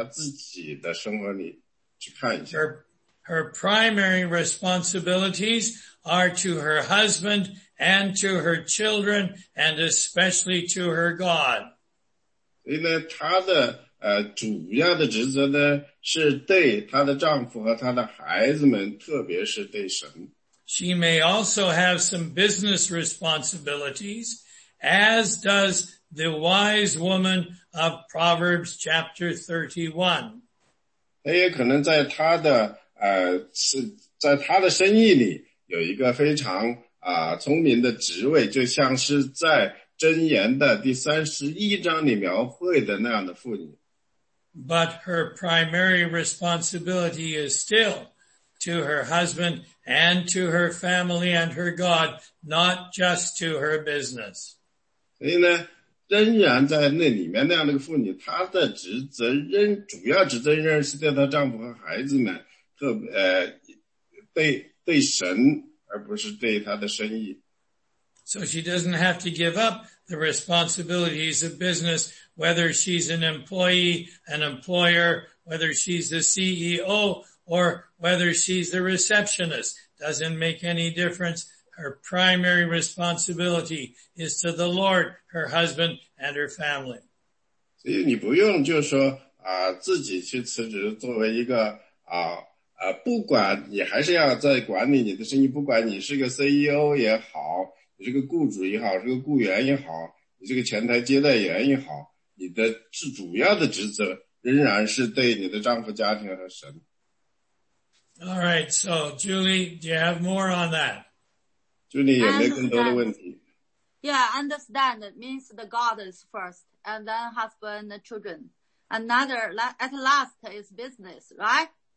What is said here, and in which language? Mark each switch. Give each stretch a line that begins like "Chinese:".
Chinese: 所以呢,回到Julie的那个问题,她必须呢,按照她自己的环境,在她自己的生活里去看一下。
English: Her primary responsibilities are to her husband and to her children, and especially to her God.
Chinese: 所以呢, 她的, 主要的职责呢是对她的丈夫和她的孩子们，特别是对神。
English: She may also have some business responsibilities, as does the wise woman of Proverbs chapter 31.
Chinese: 她也可能在她的在她的生意里有一个非常聪明的职位，就像是在箴言的第31章里描绘的那样的妇女。
English: But her primary responsibility is still to her husband and to her family and her God, not just to her business.
Chinese: 所以呢，仍然在那里面那样的一个妇女，她的职责仍主要职责仍然是对她丈夫和孩子们，特别对神，而不是对她的生意。
English: So she doesn't have to give up the responsibilities of business, whether she's an employee, an employer, whether she's the CEO, or whether she's the receptionist. Doesn't make any difference. Her primary responsibility is to the Lord, her husband, and her family.
Chinese: 所以你不用就说自己去辞职，作为一个不管你还是要在管理你的生意，不管你是个 CEO 也好，你是个雇主也好，是个雇员也好，你是个前台接待员也好，你的主要的职责仍然是对你的丈夫、家庭和神。
English: All right, so Julie, do you have more on that?
Chinese: Julie, 有没有更多的问题？
English: Yeah, understand means the God is first, and then husband, the children. Another, at last is business, right?